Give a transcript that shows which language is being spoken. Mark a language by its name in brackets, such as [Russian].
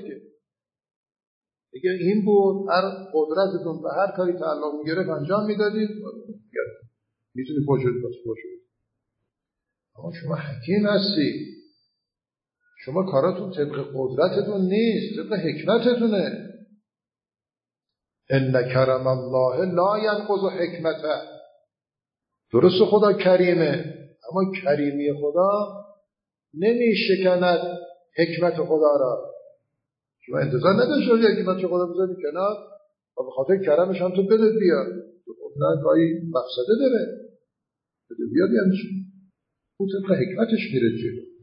[Persian] که دیگه این بود، هر قدرتتون به هر کاری تعلق میگرفت انجام میدادید، میتونی فحش بدی پس فحش بدید. اما شما حکیم هستی، شما کاراتون طبق قدرتتون نیست، طبق حکمتتونه. [Arabic] ان کرم الله لا ينقض حکمته. [Persian] درست خدا کریمه، اما کریمی خدا نمی شکند حکمت خدا را. شما انتظار نداشتید که حکمت خدا بذاری کنار و به خاطر کرمش هم تو بدت بیاد، تو خود نه گاهی مفسده داره، بده بیاد یعنی چه؟ او طبق حکمتش میره جلو.